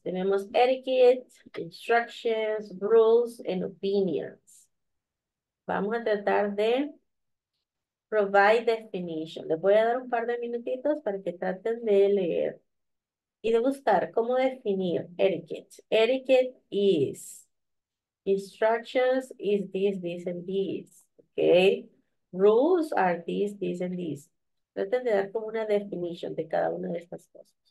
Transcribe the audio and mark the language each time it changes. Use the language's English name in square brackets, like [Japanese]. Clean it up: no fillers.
[Spanish] Tenemos [English] etiquette, instructions, rules, and opinions. [Spanish] Vamos a tratar de [English] provide definition. [Spanish] Les voy a dar un par de minutitos para que traten de leer y de buscar cómo definir etiquette. [English] Etiquette is instructions is this, this, and this. Okay. Rules are this, this, and this. [Spanish] Traten de dar como una definición de cada una de estas cosas.